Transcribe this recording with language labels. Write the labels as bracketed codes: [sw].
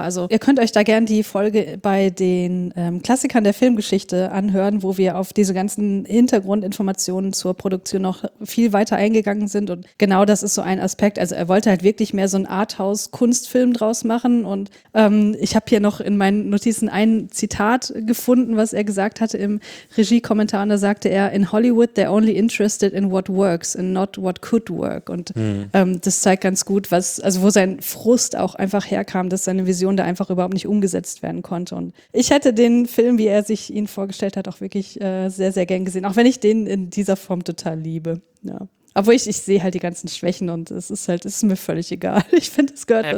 [de] Also ihr könnt euch da gern die Folge bei den Klassikern der Filmgeschichte anhören, wo wir auf diese ganzen Hintergrundinformationen zur Produktion noch viel weiter eingegangen sind. Und genau das ist so ein Aspekt. Also er wollte halt wirklich mehr so einen Arthouse-Kunstfilm draus machen. Und ich habe hier noch in meinen Notizen ein Zitat gefunden, was er gesagt hatte im Regiekommentar. Und da sagte er, [en] in Hollywood they're only interested in what works and not what could work. [de] Und das zeigt ganz gut, wo sein Frust auch einfach herkam, dass seine Vision da einfach überhaupt nicht umgesetzt werden konnte. Und ich hätte den Film, wie er sich ihn vorgestellt hat, auch wirklich sehr, sehr gern gesehen. Auch wenn ich den in dieser Form total liebe. Ja. Obwohl ich sehe halt die ganzen Schwächen und es ist mir völlig egal. Ich finde, es gehört dazu.